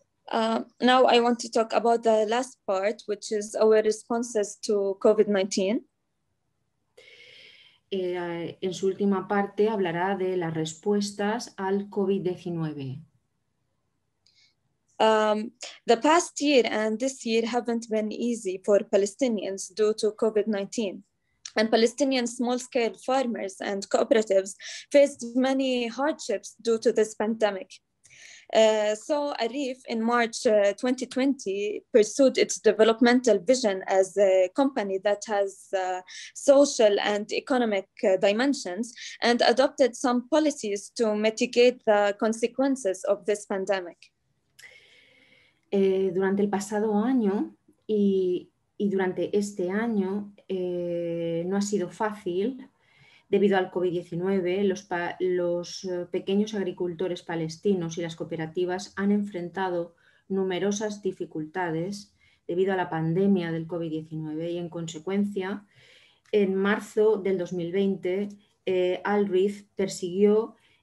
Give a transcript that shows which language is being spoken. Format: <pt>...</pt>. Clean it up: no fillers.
<en>Now I want to talk about the last part, which is our responses to COVID-19.</en> <es>En su última parte hablará de las respuestas al COVID-19.</es> <en>The past year and this year haven't been easy for Palestinians due to COVID-19. And Palestinian small-scale farmers and cooperatives faced many hardships due to this pandemic. So Arif, in March 2020, pursued its developmental vision as a company that has social and economic dimensions and adopted some policies to mitigate the consequences of this pandemic.</en> <es>Durante el pasado año y durante este año no ha sido fácil. Debido al COVID-19, los pequeños agricultores palestinos y las cooperativas han enfrentado numerosas dificultades debido a la pandemia del COVID-19 y, en consecuencia, en marzo del 2020, Alrif persiguió</es>